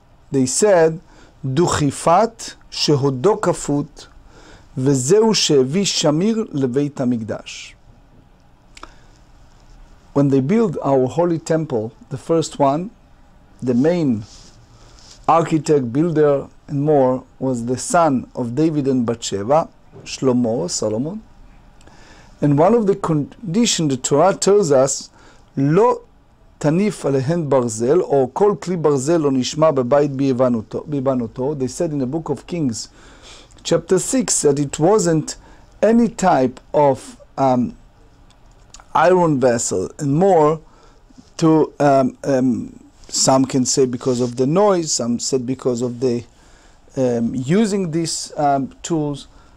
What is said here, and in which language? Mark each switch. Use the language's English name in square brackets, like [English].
[Hebrew] They said, duchifat shehodo kafut, וזהו שהביא שמיר לבית המקדש. [English] When they built our holy temple, the first one, the main architect, builder, and more, was the son of David and Bathsheba, Shlomo, Solomon. And one of the conditions the Torah tells us, לא תניף עליהן ברזל, or כל כלי ברזל לא נשמע בבית ביבנותו. They said in the book of Kings, Chapter 6, that it wasn't any type of iron vessel, and more to some can say because of the noise, some said because of the using these tools.